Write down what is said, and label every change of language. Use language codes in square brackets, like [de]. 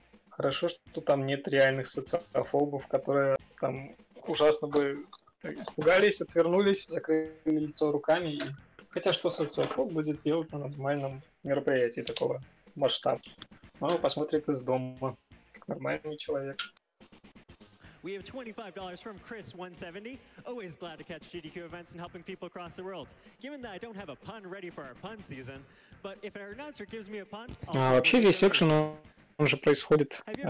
[ru] Хорошо, что там нет реальных социофобов, которые там ужасно бы испугались, отвернулись, закрыли лицо руками и... Хотя что социофоб будет делать на нормальном мероприятии такого масштаба? Он его посмотрит из дома, как нормальный человек. [en] We have $25 from Chris170. Always glad to catch GDQ events and helping people across the world. Given that I don't have a pun ready for our pun season, but if our announcer gives me a pun... [ru] А вообще весь экшен, он же происходит...